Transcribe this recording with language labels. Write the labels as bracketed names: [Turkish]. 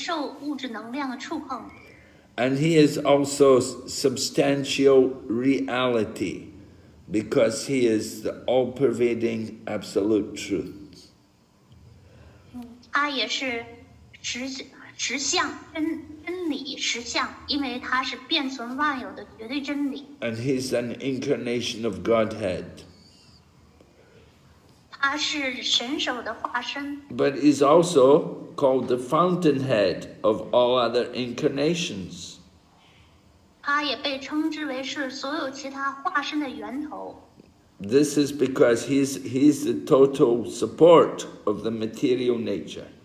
[Chinese] 即便他在给予物质能量庇护的同时，他也不受物质能量的触碰。 [English] And he is also substantial reality, because he is the all-pervading absolute truth. [Chinese] 他也是实相真理，因为他是遍存万有的绝对真理。 [English] And he is an incarnation of Godhead. [Chinese] 他是神手的化身。 [English] But he is also called the fountainhead of all other incarnations. [Chinese] 他也被称之为是所有其他化身的源头。 [English] This is because he's the total support of the material nature.